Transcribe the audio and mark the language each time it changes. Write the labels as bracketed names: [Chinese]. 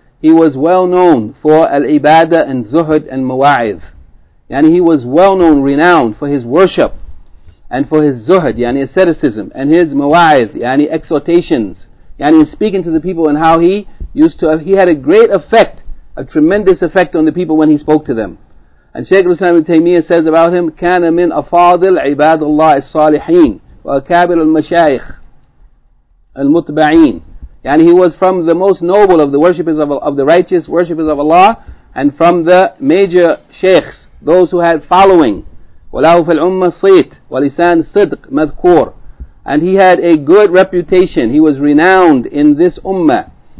[English] He was well known for al-ibadah and zuhud and mawa'id. Yani he was well known, renowned for his worship and for his zuhud, yani asceticism, and his mawa'id, yani exhortations, yani speaking to the people, and how he had a great effect, a tremendous effect on the people when he spoke to them. And Shaykh al-Islam ibn Taymiyyah says about him, [Arabic] كَانَ مِنْ أَفَاضِلْ عِبَادُ اللَّهِ الصَّالِحِينَ وَأَكَابِرُ الْمَشَايِخِ الْمُتْبَعِينَ. [English] Yani he was from the most noble of the worshippers of the righteous worshippers of Allah, and from the major sheikhs, those who had following. [Arabic] وَلَهُ فِي الْعُمَّةِ صِيت وَلِسَانِ صِدْقْ مَذْكُورِ. [English] And he had a good reputation. He was renowned in this ummah.